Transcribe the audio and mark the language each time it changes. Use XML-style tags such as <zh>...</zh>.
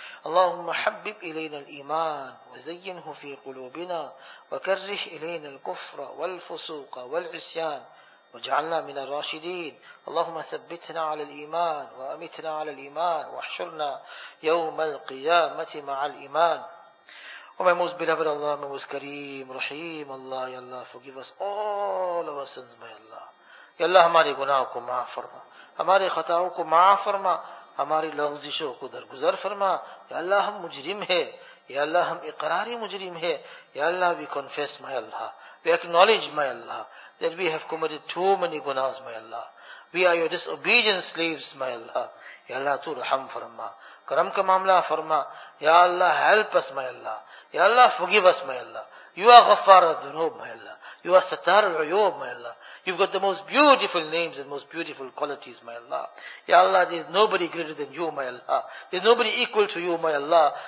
<ar>اللهم حبب إلينا الإيمان وزينه في قلوبنا، وكره إلينا الكفر والفسوق والعصيان، واجعلنا من الراشدين. اللهم ثبتنا على الإيمان، وأمتنا على الإيمان، واحشرنا يوم القيامة مع الإيمان. ومن موز بلبل الله من موز كريم رحيم الله يا الله.</ar> <en>forgive us all of our sins by Allah.</en> <ur>يا الله ہماری گناہوں کو معاف فرما، ہماری خطاؤں کو معاف فرما، ہماری لغزشوں کو درگزر فرما. یا اللہ ہم مجرم ہے، یا اللہ ہم اقراری مجرم ہے.</ur> <en>یا اللہ we confess my Allah, we acknowledge my Allah that we have committed too many gunas my Allah, we are your disobedient slaves my Allah.</en> <ur>یا اللہ تو رحم فرما، کرم کا معاملہ فرما.</ur> <en>یا اللہ help us my Allah. یا اللہ forgive us my Allah. You are غفار الذنوب my Allah. You are ستار العیوب my Allah. You've got the most beautiful names and most beautiful qualities my Allah. Ya Allah, there is nobody greater than you my Allah. There is nobody equal to you my Allah.</en>